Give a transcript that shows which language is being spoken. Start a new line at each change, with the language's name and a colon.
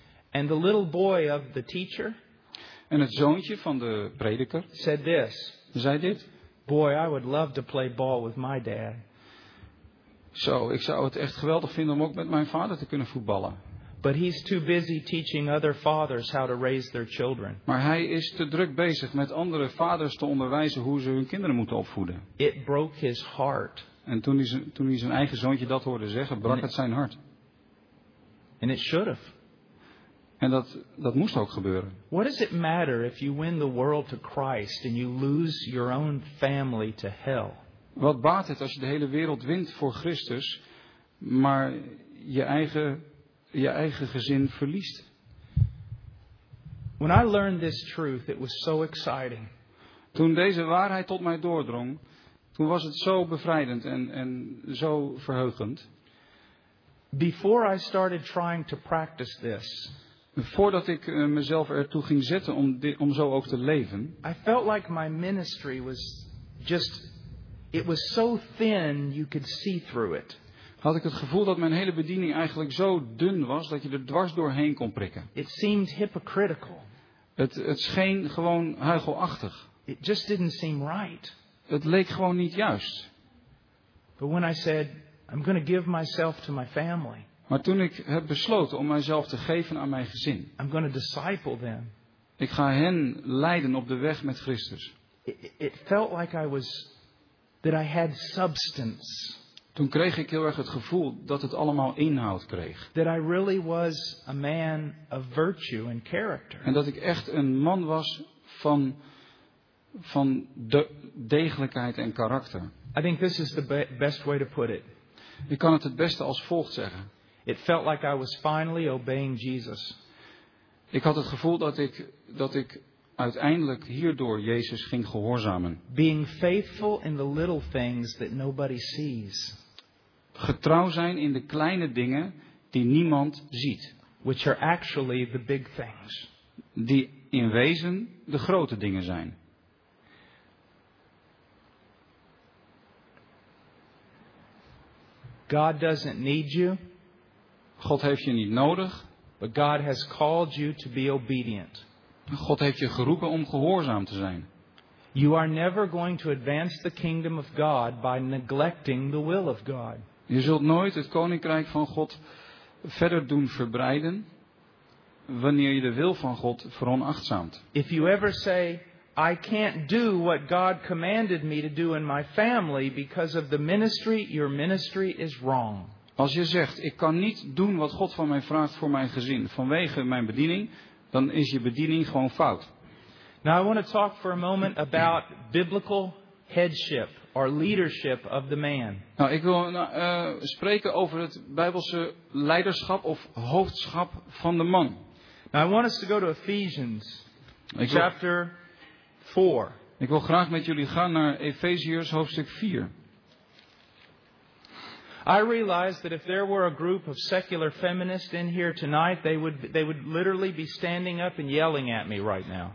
English: And the little boy of the teacher.
Dutch: En het zoontje van de prediker.
English: Said this.
Dutch: Zei dit.
English: Boy, I would love to play ball with my dad.
Dutch: Zo, ik zou het echt geweldig vinden om ook met mijn vader te kunnen voetballen.
English: But he's too busy teaching other fathers how to raise their children.
Dutch: Maar hij is te druk bezig met andere vaders te onderwijzen hoe ze hun kinderen moeten opvoeden.
English: It broke his heart.
Dutch: En toen hij zijn eigen zoontje dat hoorde zeggen, brak het zijn hart.
English: And it should have.
Dutch: En dat moest ook gebeuren.
English: What does it matter if you win the world to Christ and you lose your own family to hell?
Dutch: Wat baat het als je de hele wereld wint voor Christus, maar je eigen gezin verliest?
English: When I learned this truth, it was so exciting.
Dutch: Toen deze waarheid tot mij doordrong, toen was het zo bevrijdend en zo verheugend.
English: Before I started trying to practice this.
Dutch: Voordat ik mezelf ertoe ging zetten om zo ook te leven.
English: I felt like my ministry was just, it was so thin you could see through it.
Dutch: had ik het gevoel dat mijn hele bediening eigenlijk zo dun was dat je er dwars doorheen kon prikken.
English: It seemed hypocritical.
Dutch: Het scheen gewoon huichelachtig.
English: It just didn't seem right.
Dutch: Het leek gewoon niet juist.
English: But when I said, I'm going to give myself to my family.
Dutch: Maar toen ik heb besloten om mijzelf te geven aan mijn gezin.
English: I'm going to disciple them.
Dutch: Ik ga hen leiden op de weg met Christus.
English: It felt like I was, that I had substance.
Dutch: Toen kreeg ik heel erg het gevoel dat het allemaal inhoud kreeg.
English: That I really was a man of virtue and character.
Dutch: En dat ik echt een man was van de degelijkheid en karakter.
English: I think this is the best way to put it.
Dutch: Ik kan het beste als volgt zeggen.
English: It felt like I was finally obeying Jesus.
Dutch: Ik had het gevoel dat ik uiteindelijk hierdoor Jezus ging gehoorzamen.
English: Being faithful in the little things that nobody sees.
Dutch: Getrouw zijn in de kleine dingen die niemand ziet.
English: Which are actually the big things.
Dutch: Die in wezen de grote dingen zijn.
English: God doesn't need you.
Dutch: God heeft je niet nodig.
English: But God has called you to be obedient.
Dutch: God heeft je geroepen om gehoorzaam te zijn.
English: You are never going to advance the kingdom of God by neglecting the will of God.
Dutch: Je zult nooit het koninkrijk van God verder doen verbreiden wanneer je de wil van God veronachtzaamt.
English: If you ever say, I can't do what God commanded me to do in my family because of the ministry, your ministry is wrong.
Dutch: Als je zegt, ik kan niet doen wat God van mij vraagt voor mijn gezin vanwege mijn bediening, dan is je bediening gewoon fout.
English: Now I want to talk for a moment about biblical headship or leadership of the man.
Dutch: Nou, ik wil spreken over het Bijbelse leiderschap of hoofdschap van de man.
English: Now I want us to go to Ephesians chapter 4.
Dutch: Ik wil graag met jullie gaan naar Efeziërs hoofdstuk 4.
English: I realize that if there were a group of secular feminists in here tonight, they would literally be standing up and yelling at me right now.